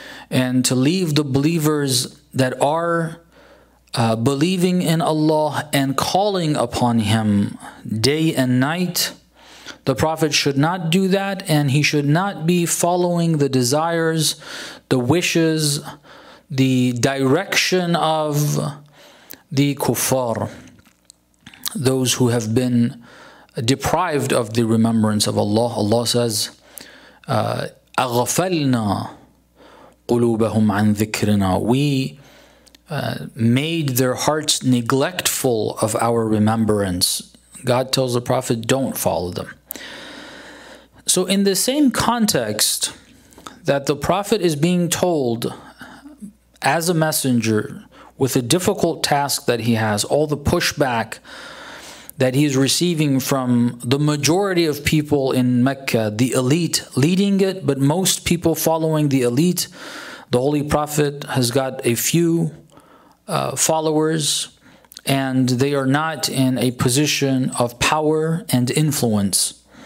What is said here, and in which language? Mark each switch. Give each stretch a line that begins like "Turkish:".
English: And to leave the believers that are believing in Allah and calling upon him day and night, the Prophet should not do that, and he should not be following the desires, the wishes, the direction of the kuffar, those who have been deprived of the remembrance of Allah.
Arabic: Allah says, أَغَفَلْنَا قُلُوبَهُمْ عَنْ ذِكْرِنَا.
English: We made their hearts neglectful of our remembrance. God tells the Prophet, don't follow them. So in the same context that the Prophet is being told as a messenger with a difficult task that he has, all the pushback that he is receiving from the majority of people in Mecca, the elite leading it, but most people following the elite, the Holy Prophet has got a few followers, and they are not in a position of power and influence.